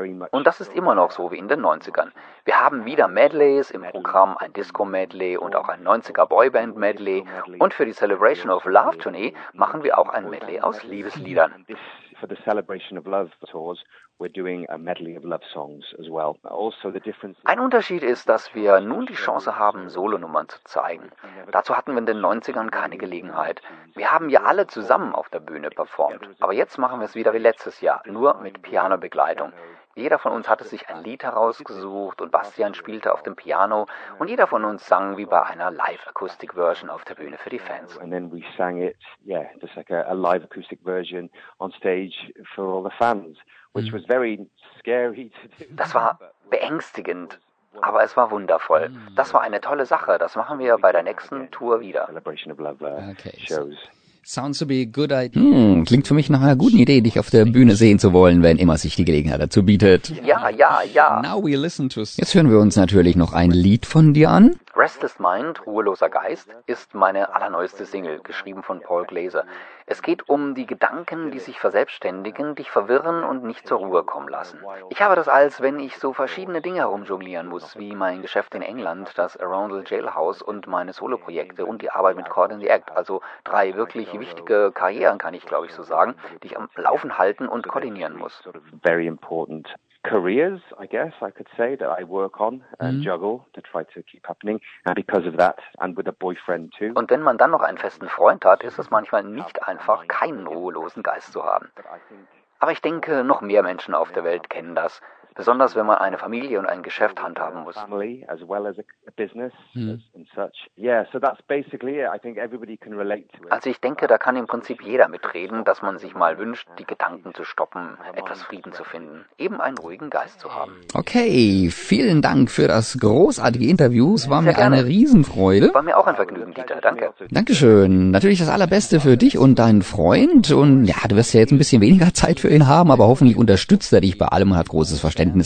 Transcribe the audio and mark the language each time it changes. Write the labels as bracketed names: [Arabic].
[German] Und das ist immer noch so wie in den 90ern. Wir haben wieder Medleys im Programm, ein Disco-Medley und auch ein 90er-Boyband-Medley. Und für die Celebration of Love-Tournee machen wir auch ein Medley aus Liebesliedern. [English] For the Celebration of Love tours, we're doing a medley of love songs as well. Also the difference. [German] Ein Unterschied ist, dass wir nun die Chance haben, Solonummern zu zeigen. Dazu hatten wir in den 90ern keine Gelegenheit. Wir haben ja alle zusammen auf der Bühne performt. Aber jetzt machen wir es wieder wie letztes Jahr, nur mit Pianobegleitung. Jeder von uns hatte sich ein Lied herausgesucht und Bastian spielte auf dem Piano und jeder von uns sang wie bei einer Live-Akustik-Version auf der Bühne für die Fans. [English] And then we sang it, yeah, just like a live-acoustic version on stage for all the fans, which was very scary to do. [German] Das war beängstigend, aber es war wundervoll. Das war eine tolle Sache. Das machen wir bei der nächsten Tour wieder. [English] Celebration of Love shows. Sounds to be a good idea. [German] Klingt für mich nach einer guten Idee, dich auf der Bühne sehen zu wollen, wenn immer sich die Gelegenheit dazu bietet. Ja. [English] Now we listen to. [German] Jetzt hören wir uns natürlich noch ein Lied von dir an. Restless Mind, ruheloser Geist, ist meine allerneueste Single, geschrieben von Paul Glaser. Es geht um die Gedanken, die sich verselbstständigen, dich verwirren und nicht zur Ruhe kommen lassen. Ich habe das als, wenn ich so verschiedene Dinge herumjonglieren muss, wie mein Geschäft in England, das Arundel Jailhouse und meine Soloprojekte und die Arbeit mit Caught in the Act, also drei wirklich wichtige Karrieren, kann ich glaube ich so sagen, die ich am Laufen halten und koordinieren muss. [English] Very important. Careers, I guess I could say, that I work on and juggle to try to keep happening. And because of that, and with a boyfriend too. [German] Und wenn man dann noch einen festen Freund hat, ist es manchmal nicht einfach, keinen ruhelosen Geist zu haben. Aber ich denke, noch mehr Menschen auf der Welt kennen das. Besonders wenn man eine Familie und ein Geschäft handhaben muss. [English] Family as well as a business and such. Yeah, so that's basically it. I think everybody can relate to it. [German] Also ich denke, da kann im Prinzip jeder mitreden, dass man sich mal wünscht, die Gedanken zu stoppen, etwas Frieden zu finden, eben einen ruhigen Geist zu haben. Okay, vielen Dank für das großartige Interview. Es war mir eine Riesenfreude. War mir auch ein Vergnügen, Dieter. Danke. Dankeschön. Natürlich das Allerbeste für dich und deinen Freund. Und ja, du wirst ja jetzt ein bisschen weniger Zeit für ihn haben, aber hoffentlich unterstützt er dich bei allem und hat großes Verständnis.